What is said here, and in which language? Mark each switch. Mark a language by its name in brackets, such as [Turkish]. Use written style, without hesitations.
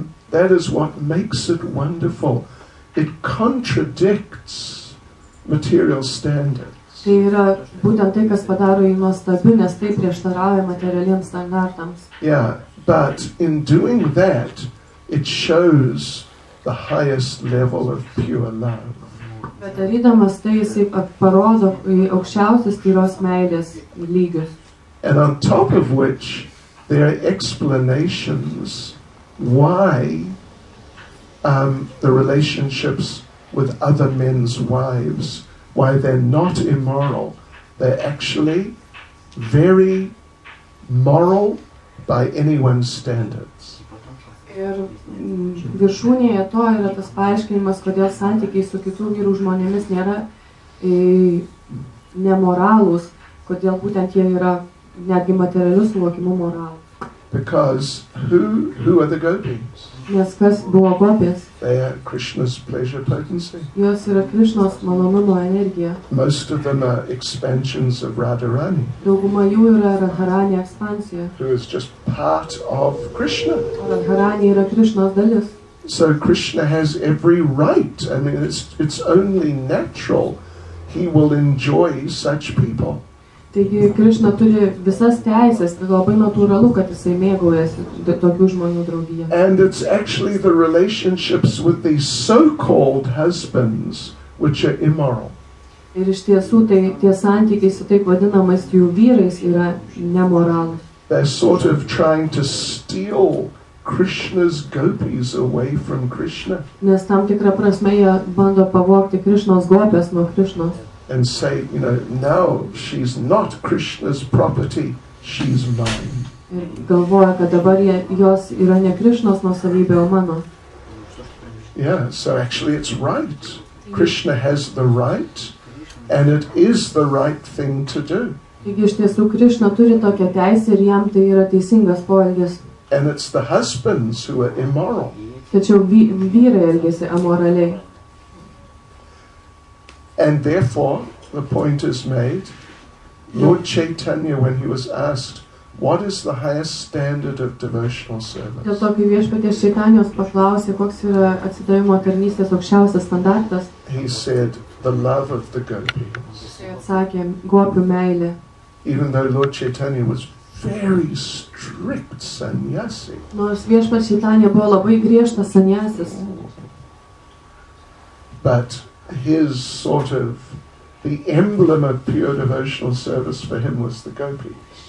[English] That is what makes it wonderful. It contradicts material standards. [Lithuanian] Tai yra būtent tai, kas padaro jį nuostabiu, nes tai prieštarauja materialiems standartams. [English] Yeah, but in doing that, it shows the highest level of pure love. [Lithuanian] Bet darydamas tai, jisai parodo aukščiausius tyros meilės lygius. [English] And on top of which, there are explanations why the relationships with other men's wives, why they're not immoral. They're actually very moral by anyone's standards. [Lithuanian] Ir viršūnėje to yra tas paaiškinimas, kodėl santykiai su kitų vyrų žmonėmis nėra nemoralūs, kodėl būtent jie yra netgi materialius suvokimų moralų. [English] Because who are the gopis? Yes, [Lithuanian] kas buvo gopis? [English] They are Krishna's pleasure potency. [Lithuanian] Jos yra Krishnos malonumo energija. [English] Most of them are expansions of Radharani. [Lithuanian] Dauguma jų yra Radharani ekspansija. [English] Who is just part of Krishna. [Lithuanian] Radharani yra Krishnos dalis. [English] So Krishna has every right. I mean, it's only natural he will enjoy such people. [Lithuanian] Taigi Krishna turi visas teises, tai labai natūralu, kad jisai mėgaujasi tokių žmonių draugiją. [English] And it's actually the relationships with these so-called husbands which are immoral. [Lithuanian] Ir iš tiesų tai tie santykiai su taip vadinamais jų vyrais yra nemoralūs. [English] They're sort of trying to steal Krishna's gopis away from Krishna. [Lithuanian] Nes tam tikra prasme jie bando pavogti Krishnos gopės nuo Krishnos. [English] And say, you know, now she's not Krishna's property, she's mine. [Lithuanian] Ir galvoja, kad dabar jos yra ne Krishnos nuosavybė, o mano. [English] Yeah, so actually it's right. Krishna has the right, and it is the right thing to do. [Lithuanian] Taigi iš tiesų Krishna turi tokią teisę ir jam tai yra teisingas poelgis. [English] And it's the husbands who are immoral. [Lithuanian] Tačiau vyrai elgiasi amoraliai. [English] And therefore, the point is made, Lord Chaitanya, when he was asked, what is the highest standard of devotional service? [Lithuanian] Dėl to, kai viešpaties Chaitanyos paklausė, koks yra atsidavimo tarnystės aukščiausias standartas, [English] he said, the love of the gopis. [Lithuanian] Atsakė, gopių meilė. [English] Even though Lord Chaitanya was very strict sannyasi. [Lithuanian] Nors viešpats Chaitanya buvo labai griežtas sannyasis. [English] But his sort of the emblem of pure devotional service for him was the gopis.